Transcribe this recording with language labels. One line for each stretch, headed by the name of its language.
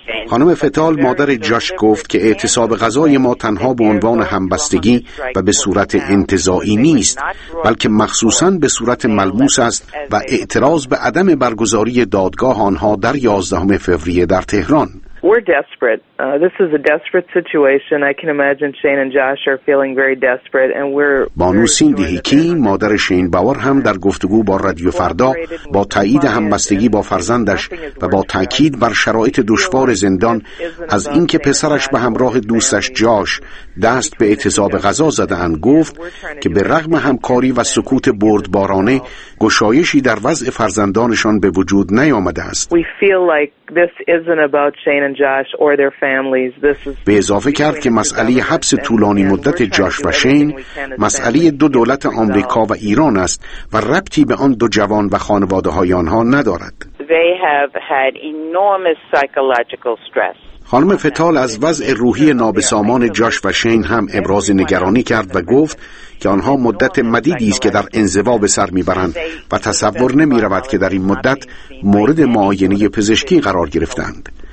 Persian: خانم فتال مادر جاش گفت که اعتصاب قضای ما تنها به عنوان همبستگی و به صورت انتزاعی نیست، بلکه مخصوصاً به صورت ملموس است و اعتراض به عدم برگزاری دادگاه آنها در 11 فوریه در تهران.
English: We're desperate. This is a desperate situation. I can imagine Shane and Josh are feeling very desperate and we're
Persian: بانو سیندی هیکی مادر شین باور هم در گفتگو با رادیو فردا با تایید همبستگی با فرزندش و با تاکید بر شرایط دشوار زندان از اینکه پسرش به همراه دوستش جاش دست به اعتصاب قضا زده اند گفت که به رغم همکاری و سکوت بردبارانه گشایشی در وضع فرزندانشان به وجود نیامده است.
English: We feel like this isn't about Shane and Josh or their families. This is
Persian: به اضافه کرد که مسئله حبس طولانی مدت جاش و شین مسئله دو دولت آمریکا و ایران است و ربطی به آن دو جوان و خانواده های آنها ندارد.
English: They have had enormous psychological stress.
Persian: خانم فتال از وضع روحی نابسامان جاش و شین هم ابراز نگرانی کرد و گفت که آنها مدت مدیدی است که در انزوا به سر می‌برند و تصور نمی‌رود که در این مدت مورد معاینه پزشکی قرار گرفتند.